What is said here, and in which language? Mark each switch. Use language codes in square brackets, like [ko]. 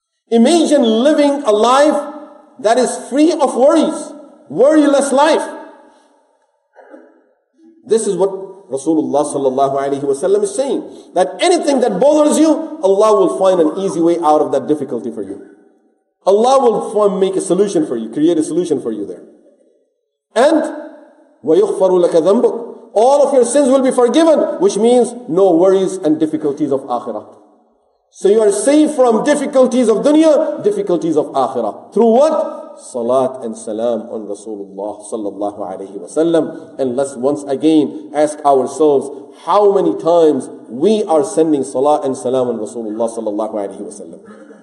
[en] Imagine living a life that is free of worries, worryless life. This is what Rasulullah sallallahu alayhi wa sallam is saying. That anything that bothers you, Allah will find an easy way out of that difficulty for you. Allah will make a solution for you, create a solution for you there. [ar] And وَيُغْفَرُ لَكَ ذَنْبُكْ. [en] All of your sins will be forgiven, which means no worries and difficulties of akhirah. So you are safe from difficulties of dunya, difficulties of akhirah. Through what? Salat and salam on Rasulullah sallallahu alayhi wa sallam. And let's once again ask ourselves how many times we are sending salat and salam on Rasulullah sallallahu alayhi wa sallam.